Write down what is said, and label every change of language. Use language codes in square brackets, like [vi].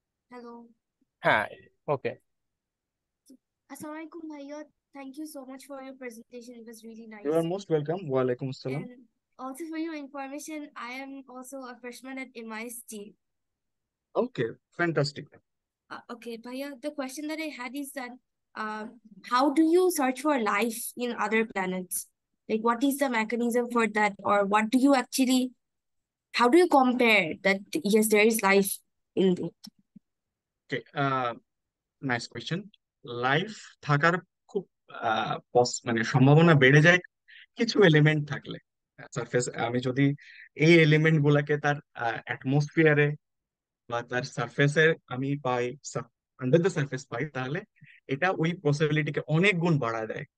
[en] hello, [bn] হ্যাঁ, ওকে। আসসালামু আলাইকুম ভাইয়া। [en] Thank you so much for your presentation, it was really you nice. আর most welcome. ওয়ালাইকুম আসসালাম। And also for your information, I am also a freshman at MIST. Okay, fantastic. Okay, Bhaiya, the question that I had is that how do you search for life in other planets? Like, what is the mechanism for that? Or what do you actually, how do you compare that, yes, there is life in it? Okay, nice question. [bn] Life থাকার খুব মানে সম্ভাবনা বেড়ে যায় কিছু element থাকলে surface. আমি যদি এই এলিমেন্ট গুলাকে তার অ্যাটমোসফিয়ারে বা তার সারফেসে আমি পাই, [en] under the surface [bn] পাই, তাহলে এটা ওই পসিবিলিটিকে অনেক গুণ বাড়ায় দেয়।